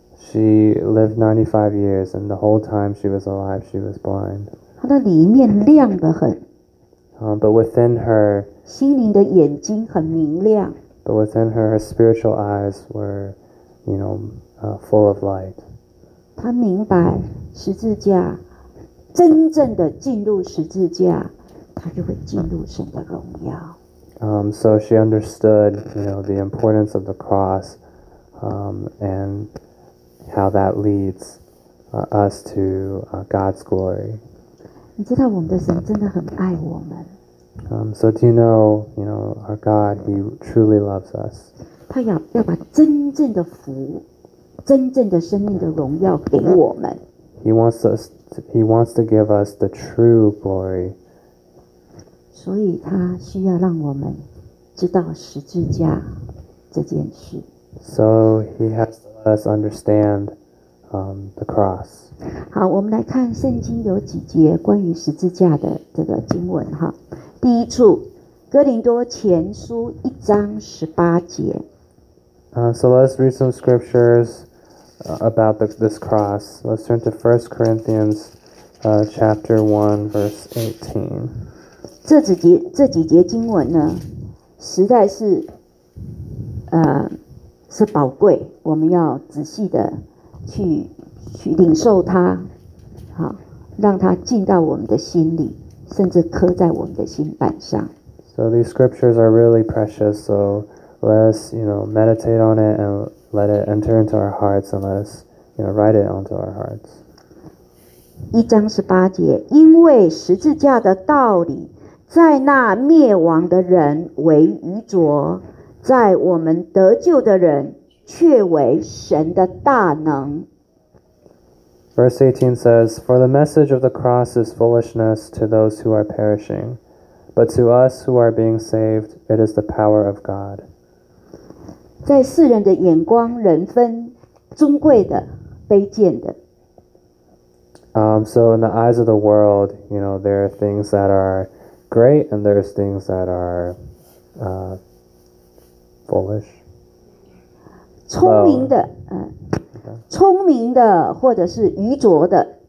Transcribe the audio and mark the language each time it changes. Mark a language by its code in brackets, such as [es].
[en] She lived 95 years, and the whole time she was alive, she was blind. [zh] 她的里面亮得很。 [en] But within her, [zh] 心灵的眼睛很明亮。 [en] But within her, her spiritual eyes were, you know,full of light. [zh] 她明白十字架，真正的进入十字架，她就会进入神的荣耀。 [en] So she understood, you know, the importance of the cross, and how that leads us to God's glory. [zh] 你知道我们的神真的很爱我们。 [en] So do you know, our God, He truly loves us. [zh] 他要把真正的福，真正的生命的荣耀给我们。 [en] He wants to give us the true glory. [zh] 所以他需要让我们知道十字架这件事。 So he has to let us understand, the cross. 好，我们来看圣经有几节关于十字架的这个经文哈。第一处，哥林多前书一章十八节。 [en] So let's read some scriptures about this cross. Let's turn to 1 Corinthians chapter 1, verse 18. [zh] 这几节经文呢，实在是是宝贵，我们要仔细的去领受它，好，让它进到我们的心里，甚至刻在我们的心板上。 [en] So these scriptures are really precious, so let us, you know, meditate on it and let it enter into our hearts and let us, you know, write it onto our hearts. [zh] 一章十八节，因为十字架的道理，在那灭亡的人为愚拙，在我们得救的人却为神的大能。 [en] Verse 18 says, For the message of the cross is foolishness to those who are perishing, but to us who are being saved, it is the power of God. [zh] 在世人的眼光，人分尊贵的、卑贱的。 [en] So in the eyes of the world, you know, there are things that are great and there's things that are foolish. [zh] 聪明的，聪明的或者是愚拙的。